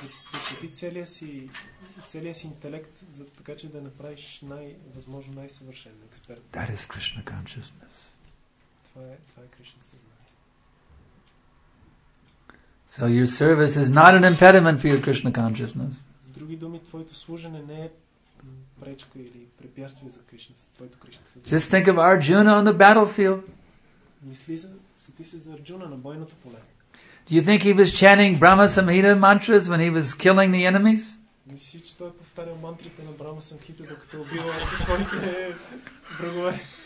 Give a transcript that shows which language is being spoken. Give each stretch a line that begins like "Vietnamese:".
Bulgarian: Посвети целия си интелект, за така че да направиш възможно най-съвършен експерт.
English: That is Krishna consciousness.
Bulgarian: Това е Кришна съзнание.
English: So your service is not an impediment for your Krishna consciousness.
Bulgarian: С други думи, твоето служене не е пречка или препятствие за твоето Кришна съзнание.
English: Just think of Arjuna on the battlefield.
Bulgarian: Мисли се ти за Арджуна на бойното поле.
English: Do you think he was chanting Brahma Samhita mantras when he was killing the enemies?
Bulgarian: Мисли, че той повтарял мантрите на Брама Самхита, докато убива своите врагове.